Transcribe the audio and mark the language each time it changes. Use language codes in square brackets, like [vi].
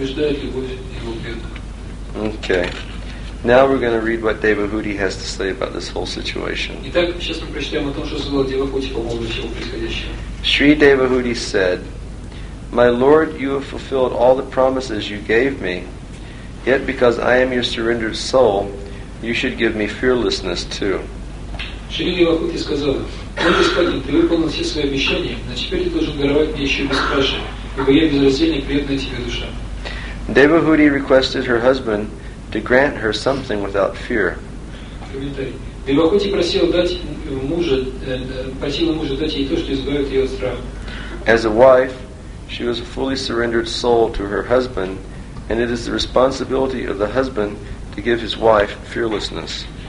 [en] Okay. Now we're going to read what Devahuti has to say about this whole situation. Sri Devahuti said, my Lord, you have fulfilled all the promises you gave me, yet because I am your surrendered soul, you should give me fearlessness too. [ru] Sri Devahuti сказал, мой господин, ты выполнил все свои обещания, но теперь ты должен даровать мне еще бесстрашие, ибо я безраздельно преданная тебе душа. [en] Devahuti requested her husband to grant her something without fear. [ru] Девахути просила мужа дать ей то, что избавит ее от страха. [en] As a wife, she was a fully surrendered soul to her husband, and it is the responsibility of the husband to give his wife fearlessness.